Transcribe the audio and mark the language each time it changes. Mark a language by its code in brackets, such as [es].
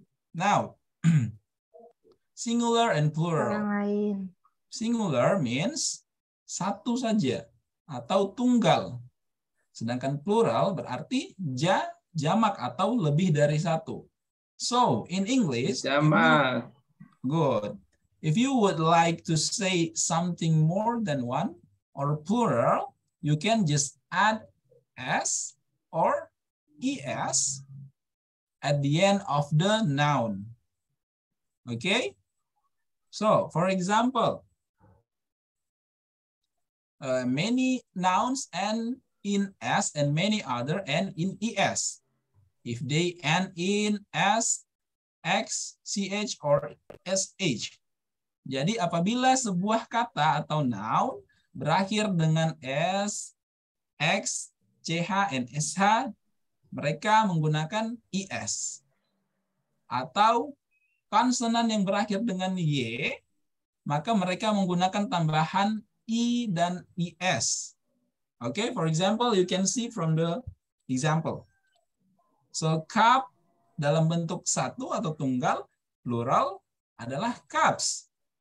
[en] Now, singular and plural. [id] Orang lain. [en] Singular means [id] satu saja atau tunggal. Sedangkan plural berarti jamak atau lebih dari satu. [en] So, in English, [id] jamak. [en] Good. If you would like to say something more than one or plural, you can just add s or es at the end of the noun. Okay? So, for example, many nouns end in s and many other end in es. If they end in s, x, ch, or sh. [id] Jadi apabila sebuah kata atau noun berakhir dengan s, x, ch, and sh, mereka menggunakan es. Atau konsonan yang berakhir dengan y, maka mereka menggunakan tambahan i dan es. [en] Okay, for example, you can see from the example. [id] So, cup dalam bentuk satu atau tunggal, plural, adalah cups.